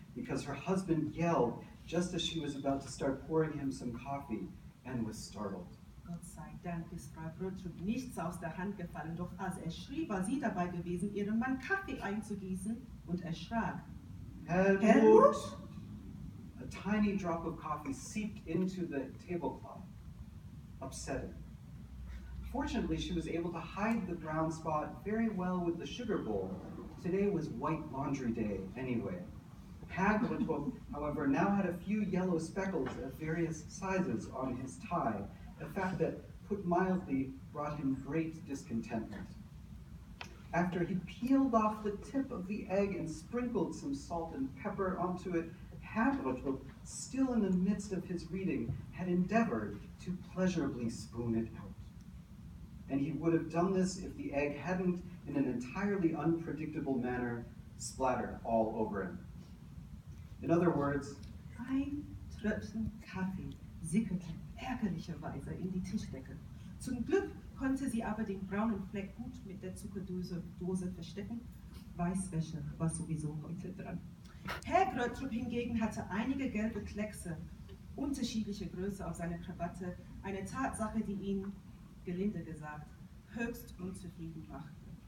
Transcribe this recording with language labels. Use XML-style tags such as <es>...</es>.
<en>Because her husband yelled just as she was about to start pouring him some coffee and was startled.</en> <de>Gott sei Dank ist Frau Grutrück nichts aus der Hand gefallen, doch als er schrie, war sie dabei gewesen, ihrem Mann Kaffee einzugießen und erschrak. Helmut!</de> <en>A tiny drop of coffee seeped into the tablecloth, upsetting. Fortunately, she was able to hide the brown spot very well with the sugar bowl. Today was white laundry day anyway. Hagrid, however, now had a few yellow speckles of various sizes on his tie, a fact that, put mildly, brought him great discontentment. After he peeled off the tip of the egg and sprinkled some salt and pepper onto it, Hagrid, still in the midst of his reading, had endeavored to pleasurably spoon it out. And he would have done this if the egg hadn't, in an entirely unpredictable manner, splattered all over him. In other words,</en> <de>ein Tröpfchen Kaffee sickerte ärgerlicherweise in die Tischdecke. Zum Glück konnte sie aber den braunen Fleck gut mit der Zuckerdose verstecken. Weißwäsche war sowieso heute dran. Herr Grötrup hingegen hatte einige gelbe Kleckse unterschiedlicher Größe auf seiner Krawatte, eine Tatsache, die ihn, gelinde gesagt, höchst unzufrieden machte.</de>